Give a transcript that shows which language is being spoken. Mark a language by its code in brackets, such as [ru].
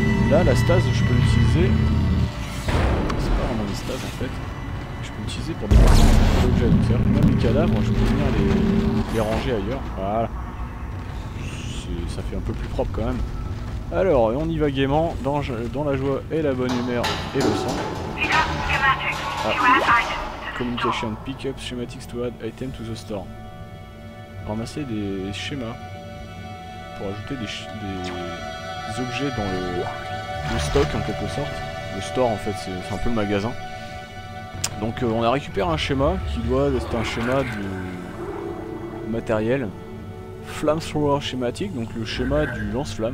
[fr] Là la stase je peux l'utiliser. C'est pas vraiment une stase en fait. Utiliser pour déplacer des objets, donc c'est-à-dire que même les cadavres, je peux venir les ranger ailleurs. Voilà, ça fait un peu plus propre quand même. Alors, on y va gaiement, dans la joie et la bonne humeur et le sang. Ah. [en] Communication, pick up schematics to add item to the store. [fr] Ramasser des schémas pour ajouter des objets dans le stock en quelque sorte. Le store en fait, c'est un peu le magasin. Donc on a récupéré un schéma qui doit être un schéma du matériel Flamethrower schématique, donc le schéma du lance-flamme.